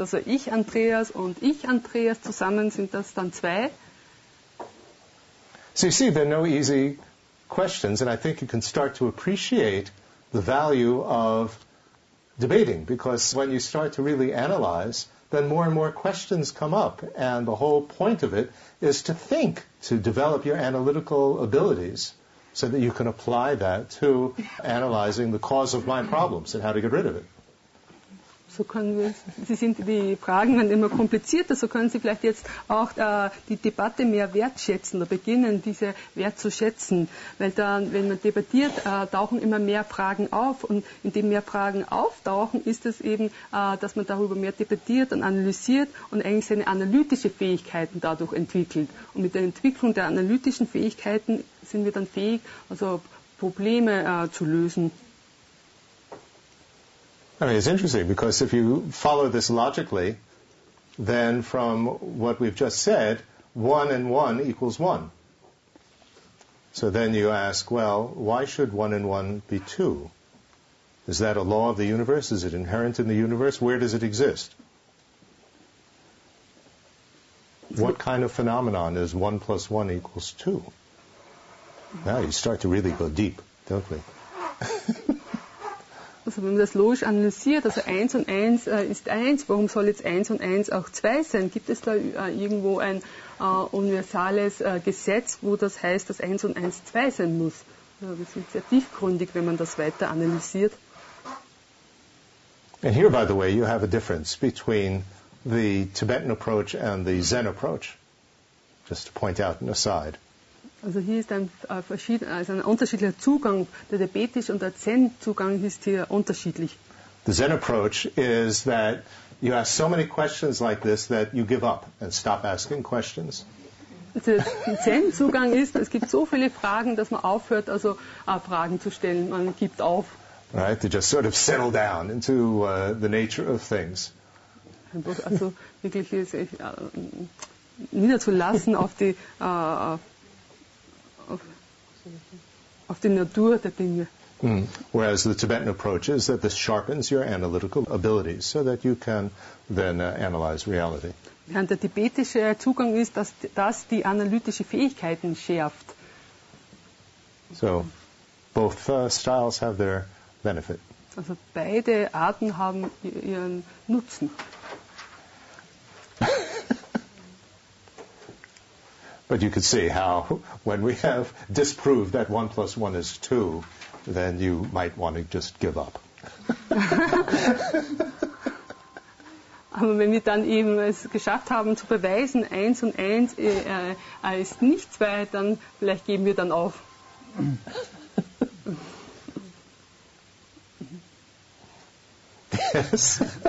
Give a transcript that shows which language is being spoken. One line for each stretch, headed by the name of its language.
German: Also ich, Andreas und ich, Andreas zusammen, sind das dann 2?
English: So you see, there are no easy questions, and I think you can start to appreciate the value of debating, because when you start to really analyze, then more and more questions come up, and the whole point of it is to think, to develop your analytical abilities, so that you can apply that to analyzing the cause of my problems and how to get rid of it.
German: So können wir, Sie sind die Fragen dann immer komplizierter, so können Sie vielleicht jetzt auch die Debatte mehr wertschätzen oder beginnen, diese wert zu schätzen. Weil dann, wenn man debattiert, tauchen immer mehr Fragen auf. Und indem mehr Fragen auftauchen, ist es eben, dass man darüber mehr debattiert und analysiert und eigentlich seine analytische Fähigkeiten dadurch entwickelt. Und mit der Entwicklung der analytischen Fähigkeiten sind wir dann fähig, also Probleme zu lösen.
English: I mean, it's interesting, because if you follow this logically, then from what we've just said, 1 and 1 equals 1. So then you ask, well, why should 1 and 1 be 2? Is that a law of the universe? Is it inherent in the universe? Where does it exist? What kind of phenomenon is 1 plus 1 equals 2? Now you start to really go deep, don't we?
German: Also wenn man das logisch analysiert, also 1 und 1 ist 1, warum soll jetzt 1 und 1 auch 2 sein? Gibt es da irgendwo ein universales Gesetz, wo das heißt, dass 1 und 1 2 sein muss? Das ist sehr tiefgründig, wenn man das weiter analysiert.
English: And here, by the way, you have a difference between the Tibetan approach and the Zen approach. Just to point out an aside.
German: Also hier ist ein unterschiedlicher Zugang, der tibetische und der Zen-Zugang ist hier unterschiedlich.
English: The Zen approach is that you ask so many questions like this that you give up and stop asking questions.
German: Der Zen-Zugang ist, es gibt so viele Fragen, dass man aufhört, also Fragen zu stellen, man gibt auf.
English: Right, to just sort of settle down into the nature of things.
German: Also wirklich sich niederzulassen auf die auf die Natur der Dinge.
English: Whereas the Tibetan approach is that this sharpens your analytical abilities so that you can then analyze reality.
German: Während der tibetische Zugang ist, dass das die analytische Fähigkeiten schärft.
English: So, both styles have their benefit.
German: Also beide Arten haben ihren Nutzen.
English: But you could see how when we have disproved that 1 plus 1 is 2, then you might want to just give up.
German: Aber wenn wir dann eben es geschafft haben zu beweisen, 1 und 1 ist nicht 2, dann vielleicht geben wir dann auf.
English: Yes.